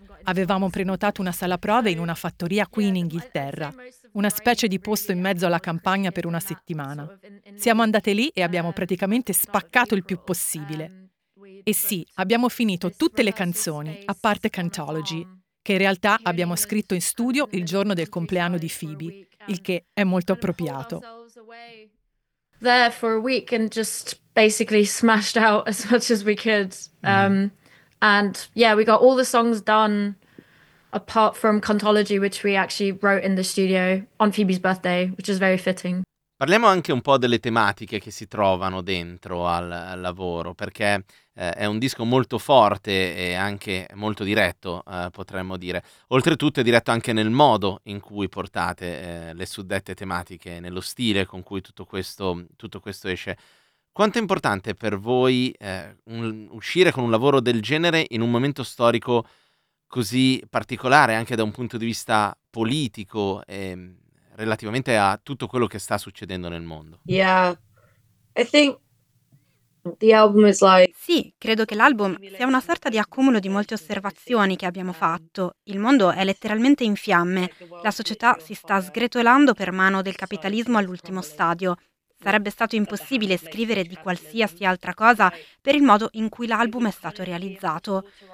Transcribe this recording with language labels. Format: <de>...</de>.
<it>Avevamo prenotato una sala prove in una fattoria qui in Inghilterra, una specie di posto in mezzo alla campagna per una settimana. Siamo andate lì e abbiamo praticamente spaccato il più possibile. E sì, abbiamo finito tutte le canzoni, a parte Cantology, che in realtà abbiamo scritto in studio il giorno del compleanno di Phoebe, il che è molto appropriato.</it> <en>There for a week and just basically smashed out as much as we could. And yeah, we got all the songs done apart from Cantology, which we actually wrote in the studio on Phoebe's birthday, which is very fitting.</en> <it>Parliamo anche un po' delle tematiche che si trovano dentro al lavoro, perché è un disco molto forte e anche molto diretto, potremmo dire. Oltretutto è diretto anche nel modo in cui portate le suddette tematiche, nello stile con cui tutto questo esce. Quanto è importante per voi uscire con un lavoro del genere in un momento storico così particolare, anche da un punto di vista politico e relativamente a tutto quello che sta succedendo nel mondo?</it> <en>Yeah, I think the album is like...</en> <it>Sì, credo che l'album sia una sorta di accumulo di molte osservazioni che abbiamo fatto. Il mondo è letteralmente in fiamme. La società si sta sgretolando per mano del capitalismo all'ultimo stadio. Sarebbe stato impossibile scrivere di qualsiasi altra cosa per il modo in cui l'album è stato realizzato.</it>